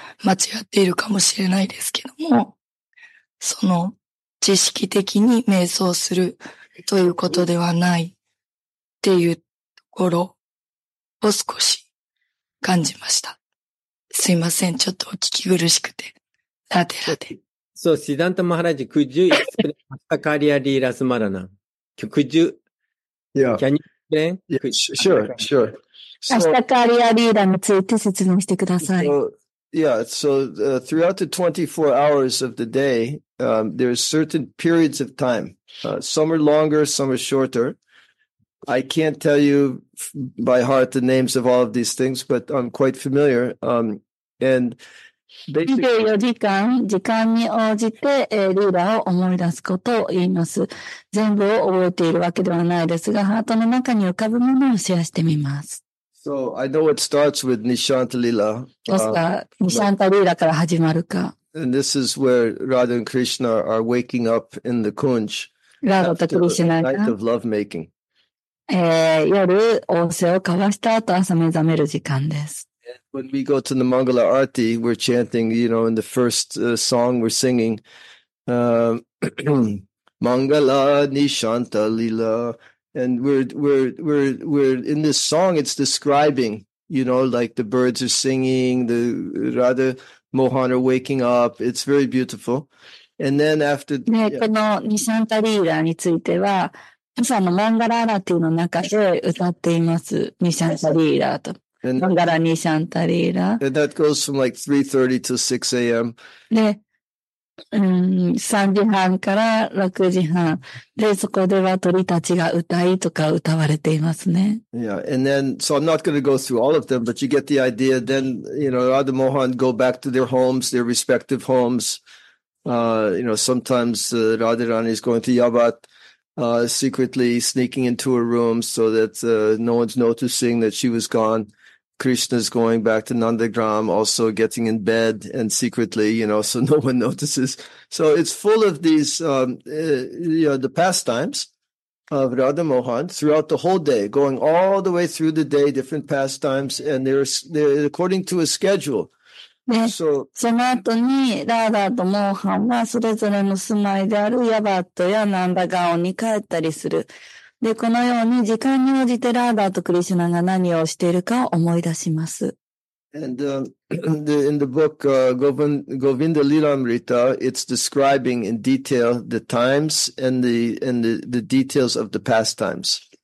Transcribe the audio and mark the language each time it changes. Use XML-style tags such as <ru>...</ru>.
<ja>間違っているかもしれないですけども、その知識的に瞑想するということではないっていうところを少し感じました。すいません、ちょっとお聞き苦しくて、ラテラテ。そう、シダンタマハラジ、クジュイ、スプレン、アカリアリーラスマラナ、クジュ、キャニー、</ja> <en>throughout the 24 hours of the day, there are certain periods of time. Some are longer, some are shorter. I can't tell you by heart the names of all of these things, but I'm quite familiar. And</en> <ja>24時間、時間に応じて、ルーラーを思い出すことを言います。全部を覚えているわけではないですが、ハートの中に浮かぶものをシェアしてみます。</ja> <en>So, I know it starts with Nishanta Lila.</en> <ja>Nishanta Lila から始まるか。</ja> <en>And this is where Radha and Krishna are waking up in the Kunj.</en> <ja>Radha とクリシュナが。</ja> <en>Night of lovemaking.</en> <ja>夜、仰せを交わした後、朝目覚める時間です。</ja> <en>When we go to the Mangala Arati, we're chanting, you know, in the first song we're singing, Mangala Nishanta Lila. And we're in this song, it's describing, you know, like the birds are singing, the Radha Mohan are waking up. It's very beautiful. And then after...</en> <ja>ね、yeah. この Nishanta Lila については、朝のマンガラアラティの中で歌っています。 Nishanta Lila と。</ja> <en>And, Mangala Nishanta Lila. And that goes from like 3:30 to 6 a.m.</en> <ja>で、3時半から6時半。で、そこでは鳥たちが歌いとか歌われていますね。</ja> <en>Yeah, and then, so I'm not going to go through all of them, but you get the idea. Then, you know, Radha Mohan go back to their homes, their respective homes. You know, sometimes Radharani is going to Yabat. Secretly sneaking into her room so that no one's noticing that she was gone. Krishna's going back to Nandagram, also getting in bed and secretly, you know, so no one notices. So it's full of these, you know, the pastimes of Radha Mohan throughout the whole day, going all the way through the day, different pastimes, and they're according to a schedule.</en> <ja>で、その後に、ラーダーとモーハンは、それぞれの住まいであるヤバットやナンダガオンに帰ったりする。で、このように、時間に応じてラーダーとクリシュナが何をしているかを思い出します。</ja> <en>And, in the book, Govinda Lilamrita, it's describing in detail the times and the details of the pastimes.</en>